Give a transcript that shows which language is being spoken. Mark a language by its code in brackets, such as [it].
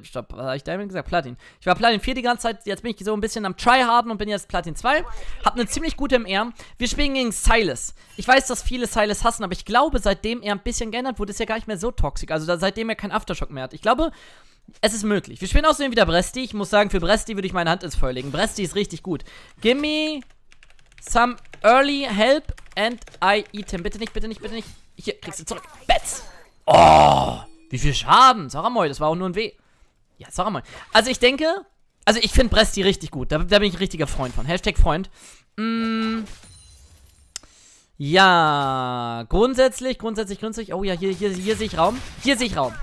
[de] Stopp, was habe ich Diamond gesagt? Platin. Ich war Platin 4 die ganze Zeit. Jetzt bin ich so ein bisschen am Tryharden und bin jetzt Platin 2. Hab eine ziemlich gute MR. Wir spielen gegen Silas. Ich weiß, dass viele Silas hassen, aber ich glaube, seitdem er ein bisschen geändert wurde, ist er gar nicht mehr so toxisch. Also seitdem er keinen Aftershock mehr hat. Ich glaube, es ist möglich. Wir spielen außerdem wieder Bresti. Ich muss sagen, für Bresti würde ich meine Hand ins Feuer legen. Bresti ist richtig gut. [en] Gimme some early help and I eat him. [de] Bitte nicht. Hier, kriegst du zurück. Betz! Oh! Wie viel Schaden? Saramoy, das war auch nur ein Weh. Ja, Saramoy. Also ich denke, also ich finde Bresti richtig gut. Da bin ich ein richtiger Freund von. Hashtag Freund. Ja, grundsätzlich. Oh ja, hier sehe ich Raum.